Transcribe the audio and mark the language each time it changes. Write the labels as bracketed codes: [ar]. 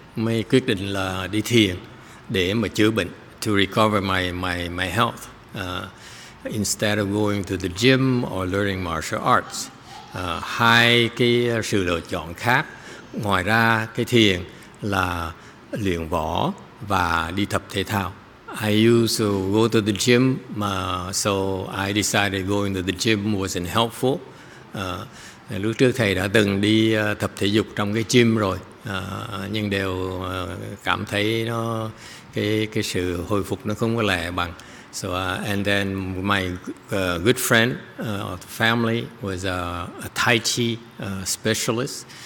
[vi] Mới quyết định là đi thiền để mà chữa bệnh, [en] to recover my health. Instead of going to the gym or learning martial arts, [vi] hai cái sự lựa chọn khác ngoài ra cái thiền là luyện võ và đi tập thể thao. [en] I used to go to the gym, so I decided going to the gym wasn't helpful. [vi] Lúc trước thầy đã từng đi tập thể dục trong cái gym rồi, nhưng đều cảm thấy nó cái sự hồi phục nó không có lẹ bằng. [en] So and then my good friend of the family was a Tai Chi specialist.